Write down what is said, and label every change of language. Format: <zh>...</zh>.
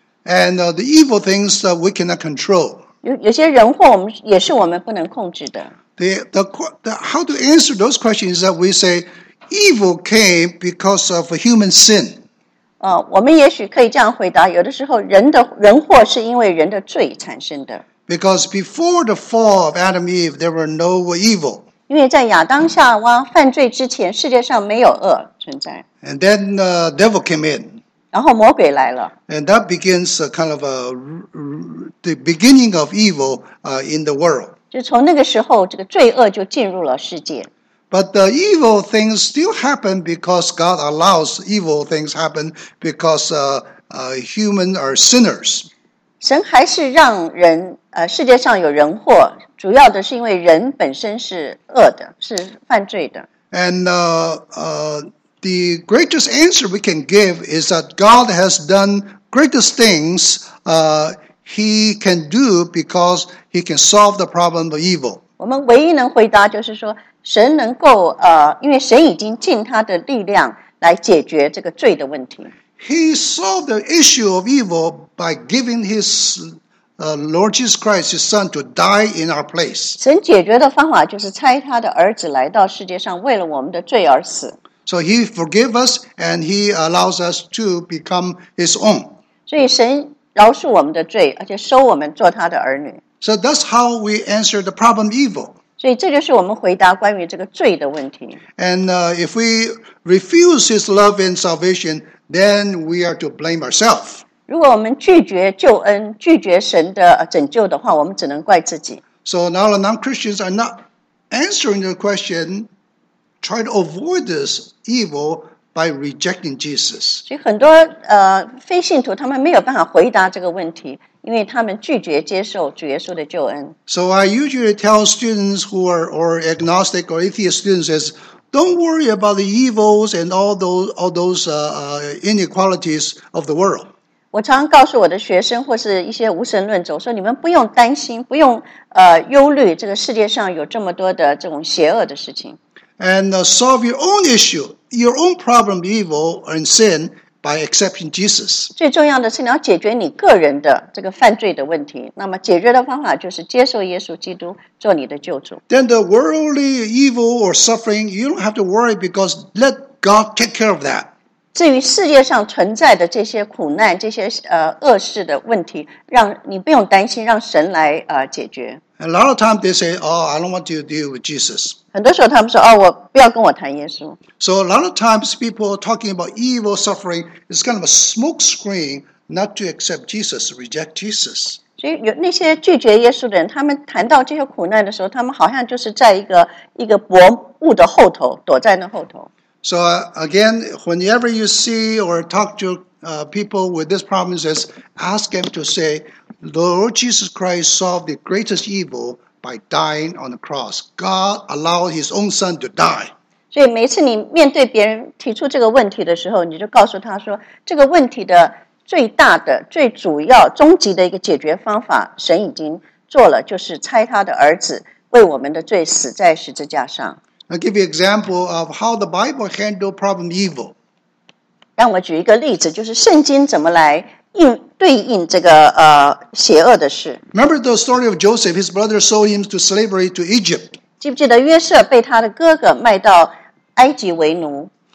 <en>And the evil things that we cannot control.</en> <zh>有些人祸也是我们不能控制的。</zh> <en>How to answer those questions is that we say evil came because of a human sin.</en> <zh>我们也许可以这样回答，有的时候人祸是因为人的罪产生的。</zh> <en>Because before the fall of Adam and Eve, there were no evil.</en> <zh>因为在亚当夏娃犯罪之前，世界上没有恶存在。</zh> <en>And then the devil came in.</en> <zh>然后魔鬼来了。</zh> <en>And that begins a kind of the beginning of evil in the world.</en> <zh>就从那个时候，这个罪恶就进入了世界。</zh> <en>But the evil things still happen because God allows evil things happen because humans are sinners.</en> <zh>神还是让人世界上有人祸，主要的是因为人本身是恶的，是犯罪的。</zh> <en>And the greatest answer we can give is that God has done greatest things he can do because he can solve the problem of evil.</en> <zh>我们唯一能回答就是说神能够因为神已经尽他的力量来解决这个罪的问题。</zh> <en>He solved the issue of evil by giving his Lord Jesus Christ, his son, to die in our place.</en> <zh>神解决的方法就是差他的儿子来到世界上为了我们的罪而死。</zh> <en>So he forgives us and he allows us to become his own.</en> <zh>所以神饶恕我们的罪，而且收我们做他的儿女。</zh> <en>So that's how we answer the problem evil.</en> <zh>所以这就是我们回答关于这个罪的问题。</zh> <en>And if we refuse his love and salvation, then we are to blame ourselves.</en> <zh>如果我们拒绝救恩，拒绝神的拯救的话，我们只能怪自己。</zh> <en>So now the non-Christians are not answering the question. Try to avoid this evil by rejecting Jesus.</en> <zh>所以很多非信徒他们没有办法回答这个问题，因为他们拒绝接受主耶稣的救恩。</zh> <en>So I usually tell students who are or agnostic or atheist students is, don't worry about the evils and all those inequalities of the world.</en> <zh>我常常告诉我的学生或是一些无神论者，我说你们不用担心，不用忧虑，这个世界上有这么多的这种邪恶的事情。</zh> <en>And solve your own issue, your own problem, evil and sin, by accepting Jesus.</en> <zh>最重要的是你要解决你个人的这个犯罪的问题。那么解决的方法就是接受耶稣基督做你的救主。</zh> <en>Then the worldly evil or suffering, you don't have to worry because let God take care of that.</en> <zh>至于世界上存在的这些苦难，这些恶事的问题，让你不用担心，让神来解决。</zh> <en>A lot of times they say, oh, I don't want to deal with Jesus.</en> <zh>很多时候他们说，哦，我不要跟我谈耶稣。</zh> <en>So a lot of times people talking about evil suffering is kind of a smoke screen not to accept Jesus, reject Jesus.</en> <zh>所以有那些拒绝耶稣的人，他们谈到这些苦难的时候，他们好像就是在一个薄雾的后头，躲在那后头。</zh> <en>So again, whenever you see or talk to people with this problem, just ask them to say,The Lord Jesus Christ solved the greatest evil by dying on the cross. God allowed his own son to die.</en> <zh>所以每次你面对别人提出这个问题的时候，你就告诉他说，这个问题的最大的、最主要、终极的一个解决方法，神已经做了，就是差他的儿子为我们的罪死在十字架上。</zh> <en>I'll give you an example of how the Bible handled problem evil.</en> <zh>让我举一个例子，就是圣经怎么来对应这个邪恶的事。</zh> <en>Remember the story of Joseph, his brother sold him to slavery to Egypt.</en> <zh>记不记得约瑟被他的哥哥卖到埃及为奴？</zh>